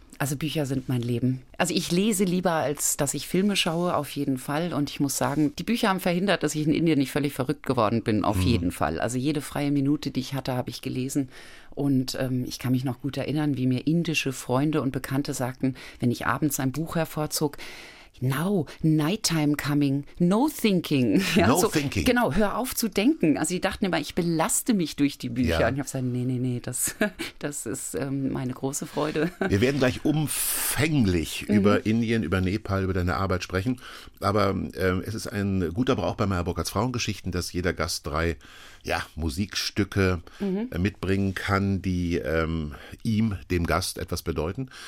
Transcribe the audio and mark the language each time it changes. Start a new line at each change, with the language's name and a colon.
German: Also Bücher sind mein Leben. Also ich lese lieber, als dass ich Filme schaue, auf jeden Fall. Und ich muss sagen, die Bücher haben verhindert, dass ich in Indien nicht völlig verrückt geworden bin, auf jeden Fall. Also jede freie Minute, die ich hatte, habe ich gelesen. Und ich kann mich noch gut erinnern, wie mir indische Freunde und Bekannte sagten, wenn ich abends ein Buch hervorzog,
English: Now, nighttime coming, no thinking. Ja, no so, thinking.
German: Genau, hör auf zu denken. Also sie dachten immer, ich belaste mich durch die Bücher. Ja. Und ich habe gesagt, nee, das ist meine große Freude. Wir werden gleich umfänglich über Indien, über Nepal, über deine Arbeit sprechen. Aber es ist ein guter Brauch bei Meyer Burkhardts Frauengeschichten, dass jeder Gast drei Musikstücke mitbringen kann, die ihm, dem Gast, etwas bedeuten.